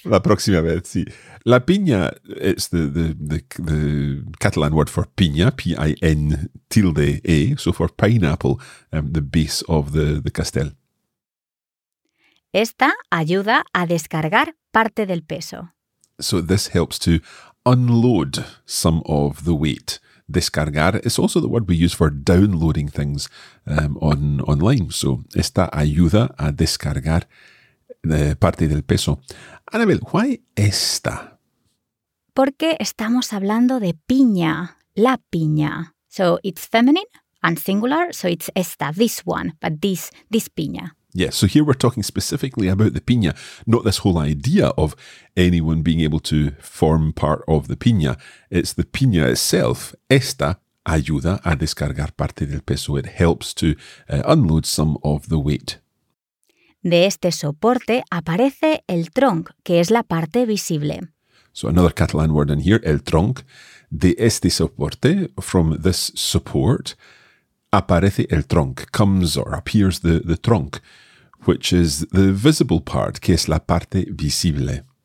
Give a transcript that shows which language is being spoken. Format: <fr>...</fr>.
<es>La próxima vez, sí.</es> <en>La piña, it's the Catalan word for piña, P-I-N tilde A, so for pineapple, the base of the castell.</en> <es>Esta ayuda a descargar parte del peso.</es> <en>So this helps to unload some of the weight. Descargar is also the word we use for downloading things online.</en> <es>So esta ayuda a descargar parte del peso.</es> <en>Anabel, ¿why esta?</en> <es>Porque estamos hablando de piña, la piña.</es> <en>So it's feminine and singular, so it's esta, this one, but this piña. Yeah, so here we're talking specifically about the piña, not this whole idea of anyone being able to form part of the piña. It's the piña itself.</en> <es>Esta ayuda a descargar parte del peso.</es> <en>It helps to unload some of the weight.</en> <es>De este soporte aparece el tronc, que es la parte visible.</es> <en>So another Catalan word in here, el tronc.</en> <es>De este soporte,</es> <en>from this support,</en> <es>aparece el tronc,</es> <en>comes or appears the tronc, which is the visible part,</en> <es>que es la parte visible.</es>